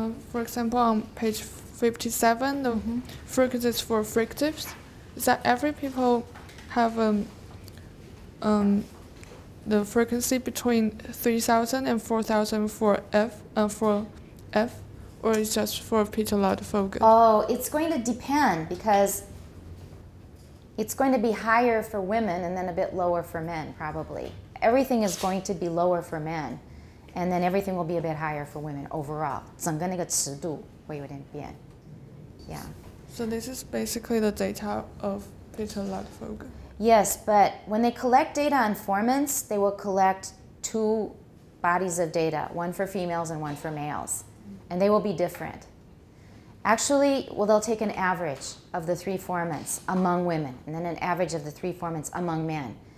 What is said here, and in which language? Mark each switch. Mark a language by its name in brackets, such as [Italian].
[English] For example, on page 57, the frequencies for fricatives, is that every people have the frequency between 3,000 and 4,000 for F, or is it just for Peter Lott Vogel? Oh, it's going to depend, because it's going to be higher for women and then a bit lower for men, probably. Everything is going to be lower for men, and then everything will be a bit higher for women overall. [Chinese] 整个那个尺度会有点变。 [English] Yeah. So this is basically the data of Peter Lott Vogel. Yes, but when they collect data on formants, they will collect two bodies of data, one for females and one for males, and they will be different. Actually, well, they'll take an average of the three formants among women, and then an average of the three formants among men.